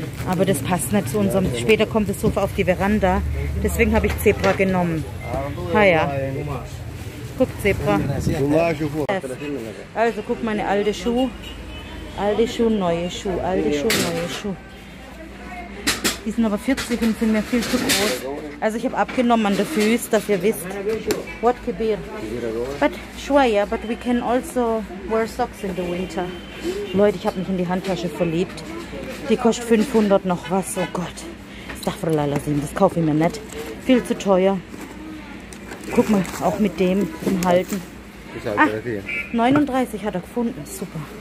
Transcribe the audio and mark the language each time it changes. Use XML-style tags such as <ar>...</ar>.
<de>Aber das passt nicht zu unserem. Später kommt das Sofa auf die Veranda. Deswegen habe ich Zebra genommen. Ha ja. Guck, Zebra. Also guck, meine alte Schuhe. Alte Schuhe, neue Schuhe. Alte Schuhe, neue Schuhe. Die sind aber 40 und sind mir viel zu groß. Also ich habe abgenommen an den Füßen, dass ihr wisst.</de> <en>What kebir? But shwaya, but we can also wear socks in the winter.</en> <de>Leute, ich habe mich in die Handtasche verliebt. Die kostet 500 noch was. Oh Gott. Das kaufe ich mir nicht. Viel zu teuer. Guck mal, auch mit dem im Halten. 39 hat er gefunden, super.</de>